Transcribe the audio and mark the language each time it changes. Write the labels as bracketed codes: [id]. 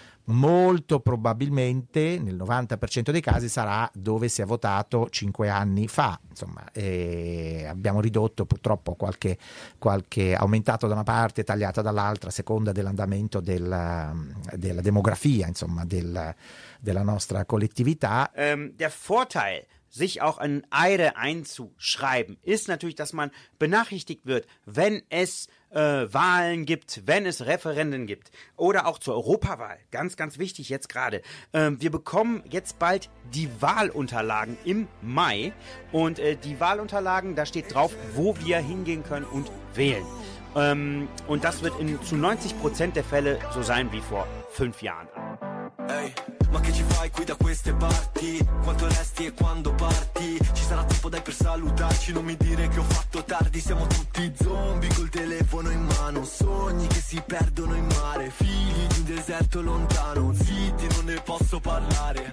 [it] Molto probabilmente, nel 90% dei casi, sarà dove si è votato 5 anni fa. Insomma, abbiamo ridotto purtroppo qualche aumentato da una parte, tagliato dall'altra, a seconda dell'andamento della demografia, insomma, della nostra collettività. [de] Der Vorteil, sich auch in AIRE einzuschreiben, ist natürlich, dass man benachrichtigt wird, wenn es Wahlen gibt, wenn es Referenden gibt oder auch zur Europawahl. Ganz, ganz wichtig jetzt gerade. Wir bekommen jetzt bald die Wahlunterlagen im Mai und die Wahlunterlagen, da steht drauf, wo wir hingehen können und wählen. Und das wird in zu 90% der Fälle so sein wie vor 5 Jahren. [it] Hey, ma che ci fai qui da queste parti? Quanto resti e quando parti? Ci sarà tempo dai per salutarci, non mi dire che ho fatto tardi. Siamo tutti zombie col telefono in mano, sogni che si perdono in mare, figli di un deserto lontano, zitti non ne posso parlare.